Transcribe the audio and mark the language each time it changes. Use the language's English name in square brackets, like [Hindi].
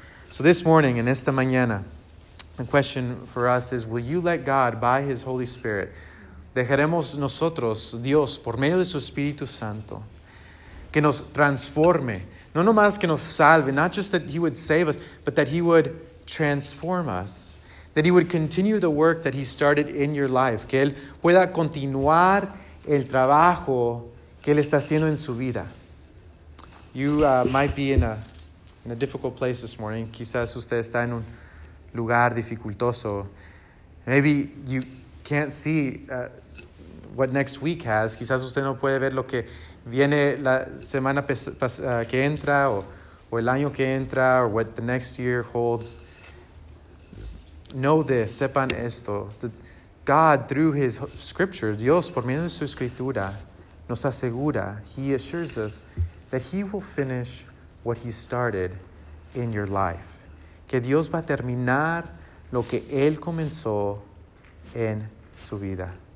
[English] So this morning, [Spanish] en esta mañana, [English] the question for us is, will you let God, by his Holy Spirit, [Spanish] dejaremos nosotros, Dios, por medio de su Espíritu Santo, que nos transforme, no nomás que nos salve, [English] not just that he would save us, but that he would transform us, that he would continue the work that he started in your life, [Spanish] que él pueda continuar el trabajo que él está haciendo en su vida. [English] You might be in a difficult place this morning. [Spanish] Quizás usted está en un lugar dificultoso. [English] Maybe you can't see what next week has. [Spanish] Quizás usted no puede ver lo que viene la semana que entra o el año que entra [English] or what the next year holds. Know this, [Spanish] sepan esto. [English] That God, through his scripture, [Spanish] Dios, por medio de su escritura, nos asegura, [English] he assures us, that he will finish what he started in your life. [Spanish] Que Dios va a terminar lo que él comenzó en su vida.